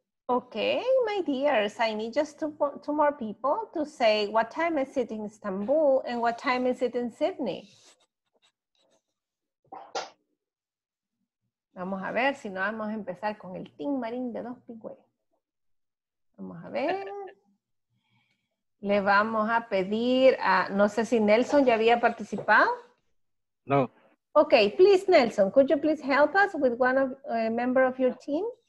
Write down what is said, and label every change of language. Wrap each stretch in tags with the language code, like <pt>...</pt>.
<en>Okay, my dears, I need just two more people to say what time is it in Istanbul and what time is it in Sydney.</en> <es>Vamos a ver si no vamos a empezar con el Team Marín de dos pingües. Vamos a ver. Le vamos a pedir a, no sé si Nelson ya había participado. No.</es> <en>Okay, please Nelson, could you please help us with one of a member of your team?</en>